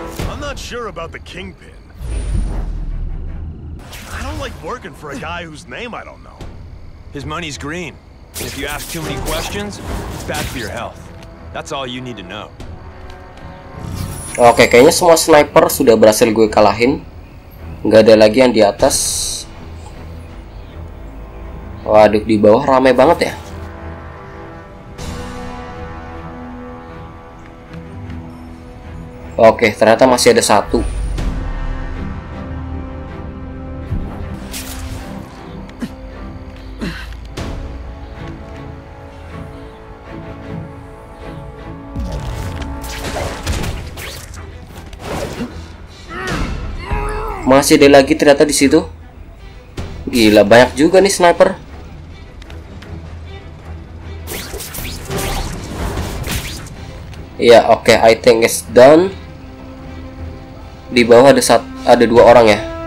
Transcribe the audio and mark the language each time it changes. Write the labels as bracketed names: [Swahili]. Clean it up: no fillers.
[English] I'm not sure about the Kingpin. I don't like working for a guy whose name I don't know. His money's green. If you ask too many questions, it's bad for your health. That's all you need to know. [Indonesian] Oke, kayaknya semua sniper sudah berhasil gue kalahin. Gak ada lagi yang di atas. Waduh, di bawah ramai banget ya. Oke, ternyata masih ada satu. Masih ada lagi ternyata di situ. Gila, banyak juga nih sniper. [English] Ya, oke, okay, I think it's done. [Indonesian] Di bawah ada dua orang ya.